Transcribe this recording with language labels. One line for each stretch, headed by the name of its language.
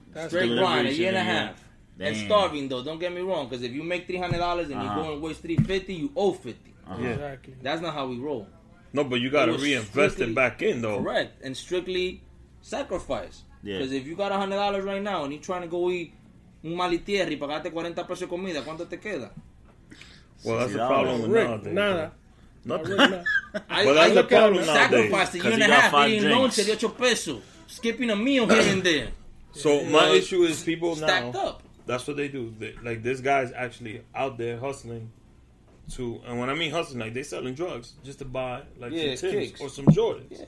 English: straight grind, a year and a half. Damn. And starving, though. Don't get me wrong. Because if you make $300 and you go and waste $350, you owe $50. Uh-huh. Yeah. Exactly. That's not how we roll. No, but you got to reinvest it back in, though. Correct. And strictly sacrifice. Because if you got $100 right now and you're trying to go eat
Spanish: un malitierre y pagaste 40 pesos de comida, ¿cuánto te queda?
English: Well, that's the problem with Rick, nothing.
Spanish: Nada.
English: Nothing. Well, that's the problem nowadays. Sacrificing you and a half eating lunch at 8 pesos. Skipping a meal here and there. So my issue is people now. Stacked up. That's what they do. They, like, this guy's actually out there hustling to, and when I mean hustling, like, they selling drugs just to buy, like, some Tims or some Jordans.